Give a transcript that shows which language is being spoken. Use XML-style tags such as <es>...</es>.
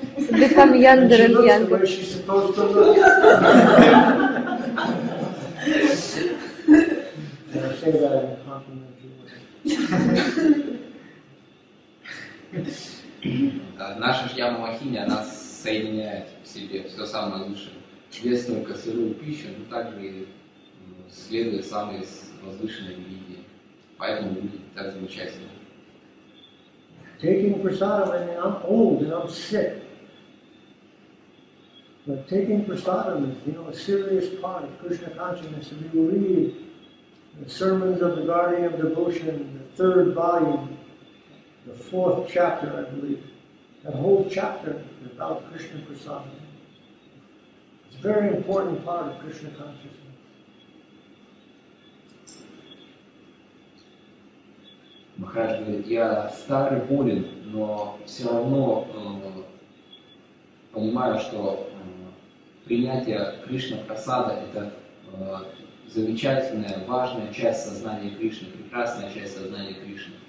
<en>Become younger and younger. She looks where she's supposed to look. And I say that in a compliment.</en> <ru>Наша Shyamo Mahini, она соединяет в себе все самое лучшее. Ест только сырую пищу, но также и следует самые возвышенные религии. Поэтому будет так замечательно.</ru> <en>Taking prasadam, I mean, I'm old and I'm sick. But taking prasadam is, you know, a serious part of Krishna consciousness. If you read the sermons of the Guardian of Devotion, the third volume, the fourth chapter, I believe, that whole chapter is about Krishna prasadam. It's a very important part of Krishna consciousness.</en> <ru>Махарадж говорит, я старый, болен, но все равно понимаю, что принятие Кришна Прасада – это замечательная, важная часть сознания Кришны, прекрасная часть сознания Кришны.</ru>